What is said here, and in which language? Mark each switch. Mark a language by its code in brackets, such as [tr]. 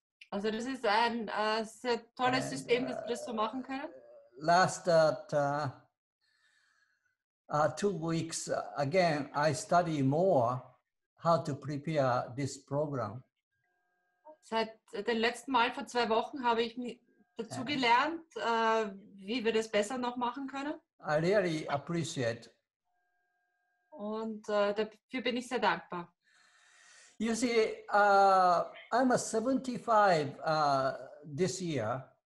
[de] Also das ist ein sehr tolles System, dass wir das so machen können. [en] Last 2 weeks again, I study more how to prepare this program. [de] Seit dem letzten Mal vor 2 Wochen habe ich mich dazu gelernt, wie wir das besser noch machen können. [en] I really appreciate. [de] Und dafür bin ich sehr dankbar. [en] You see, I'm a 75 this year.